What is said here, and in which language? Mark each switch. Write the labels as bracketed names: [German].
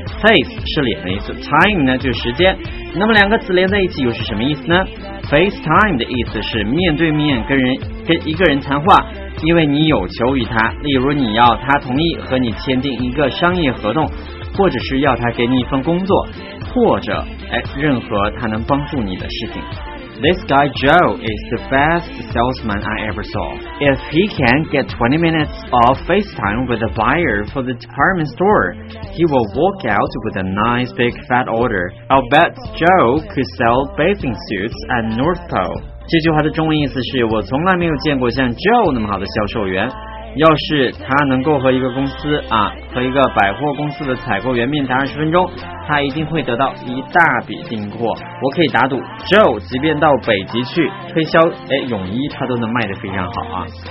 [Chinese] Face 是脸的意思， Time 呢就是时间。那么两个词连在一起又是什么意思呢？ FaceTime 的意思是面对面跟一个人谈话，因为你有求于他，例如你要他同意和你签订一个商业合同，或者是要他给你一份工作，或者任何他能帮助你的事情。 [English] This guy Joe is the best salesman I ever saw. If he can get 20 minutes of FaceTime with a buyer for the department store, he will walk out with a nice big fat order. I'll bet Joe could sell bathing suits at North Pole. [Chinese] 这句话的中文意思是，我从来没有见过像 Joe 那么好的销售员，要是他能够和一个公司和一个百货公司的采购员面谈20分钟，他一定会得到一大笔订货。我可以打赌 Joe 即便到北极去推销泳衣，他都能卖得非常好啊。